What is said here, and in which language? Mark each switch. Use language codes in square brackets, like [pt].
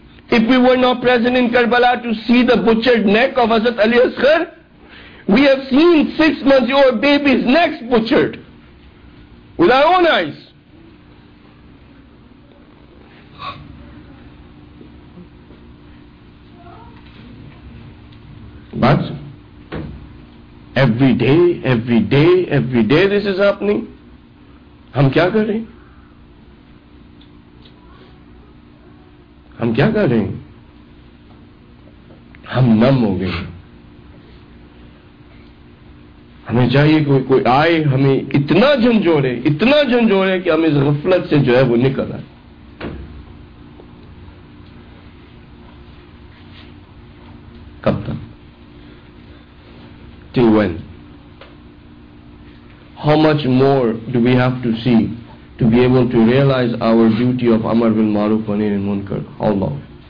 [en] If we were not present in Karbala to see the butchered neck of Hazrat Ali Asghar, we have seen 6 months old baby's necks butchered with our own eyes. But every day, every day, every day this is happening. [ur] ہم کیا کر رہے ہیں, ہم کیا کر رہے ہیں, ہم نم ہو گئے. ہمیں چاہیے کوئی آئے, ہمیں اتنا جھنجھوڑے, اتنا جھنجھوڑے کہ ہم اس غفلت سے جو ہے وہ نکل آئے. کب تک, [en] till when? How much more do we have to see to be able to realize our duty of Amar bin Maruf wa Nahi Munkar? How long?